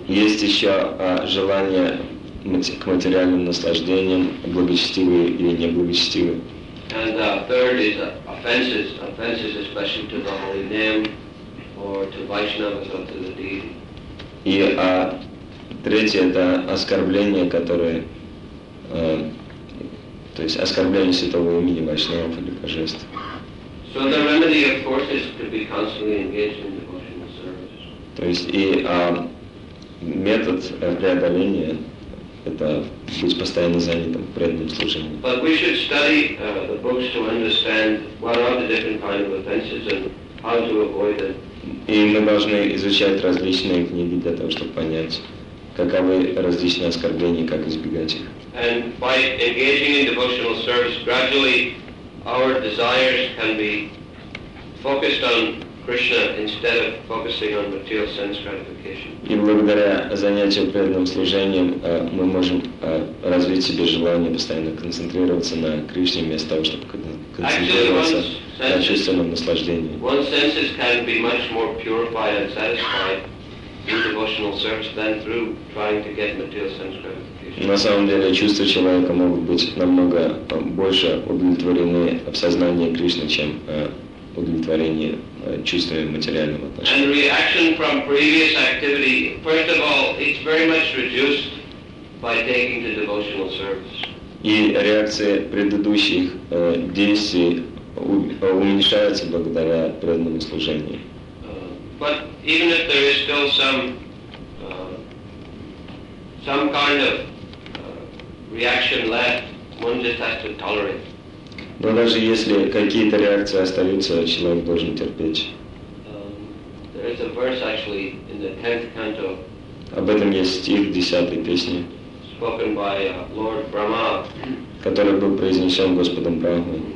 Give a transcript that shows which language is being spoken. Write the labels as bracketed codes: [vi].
[ru] Есть еще желание к материальным наслаждениям, благочестивые или неблагочестивые. [en] And third is offenses, especially to the holy name or to Vaishnavas or to the deity. [ru] И третье это оскорбления, которые, то есть оскорбления святого имени Вайшнавов или божеств. [en] So the remedy, of course, is to be constantly engaged in. [ru] То есть и метод преодоления — это быть постоянно занятым преданным служением. [en] But we should study the books to understand what are the different kinds of offenses and how to avoid them. [ru] И мы должны изучать различные книги для того, чтобы понять, каковы различные оскорбления, как избегать их. [en] And by engaging in devotional service, gradually our desires can be focused on Krishna instead of focusing on material sense gratification. [ru] И благодаря занятиям преданным служением мы можем развить себе желание постоянно концентрироваться на Кришне вместо того, чтобы концентрироваться на чувственном наслаждении. [en] One senses can be much more purified and satisfied through devotional service than through trying to get material sense gratification. [ru] На самом деле чувства человека могут быть намного больше удовлетворены в сознании Кришны, чем удовлетворение чувствами материального отношения. [en] And reaction from previous activity, first of all, it's very much reduced by taking the devotional service. [ru] И реакция предыдущих действий уменьшается благодаря преданному служению. [en] But even if there is still some kind of reaction left, one just has to tolerate. [ru] Но даже если какие-то реакции остаются, человек должен терпеть. [en] There is a verse actually in the 10th canto. [ru] Об этом есть стих в 10-й песне. [en] Spoken by Lord Brahma. [ru] Который был произнесен Господом Брахмой.